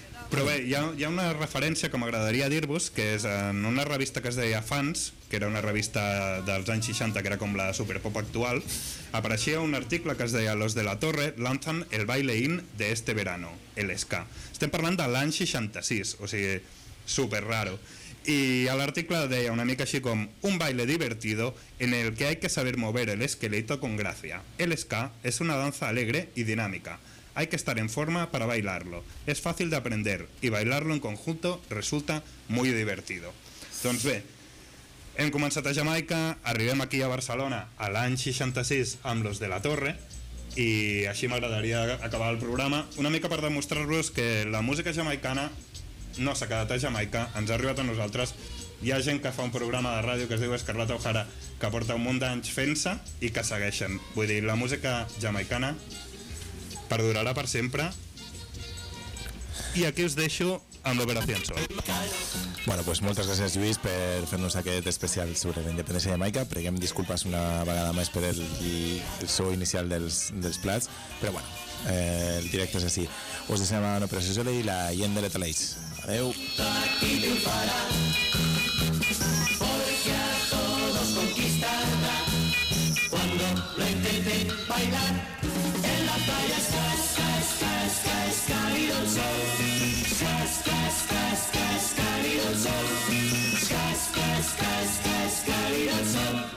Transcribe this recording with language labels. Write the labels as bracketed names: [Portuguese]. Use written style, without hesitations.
[Catalan] Però bé, hi ha una referència que m'agradaria dir-vos, que és en una revista que es deia Fans, que era una revista dels anys 60, que era com la superpop actual, apareixia un article que es deia [Spanish] Los de la Torre lanzan el baile in de este verano, el esca. [Catalan] Estem parlant de l'any 66, o sigui, [Spanish] super raro. Y al artículo de [Catalan] una mica [Spanish] así como un baile divertido en el que hay que saber mover el esqueleto con gracia. El ska es una danza alegre y dinámica. Hay que estar en forma para bailarlo. Es fácil de aprender y bailarlo en conjunto resulta muy divertido. [Catalan] Doncs bé, hem començat a Jamaica, arribem aquí a Barcelona a l'any 66 amb Los de la Torre i així m'agradaria acabar el programa una mica per demostrar-vos que la música jamaicana no s'ha quedat a Jamaica, ens ha arribat a nosaltres. Hi ha gent que fa un programa de ràdio que es diu Escarlata O'Hara, que porta un munt d'anys fent-se i que segueixen. Vull dir, la música jamaicana perdurarà per sempre. I aquí us deixo amb l'Operación Sol. [Spanish] Bueno, pues [Catalan] moltes gràcies, Lluís, per fer-nos aquest especial sobre la independència de Jamaica. Preguem disculpes una vegada més per el so inicial dels plats, però bueno, el directe és així. Us deixem a l'Operación Sol i la gent de l'Etaleix. Adeu. [Spanish] Aquí triunfará, porque a todos conquistará. Cuando lo intenté bailar, en la playa ska, ska, ska, ska, ska, y don sol. Ska, ska, ska, ska, ska, y don sol. Ska, ska, ska, ska, ska, y don sol.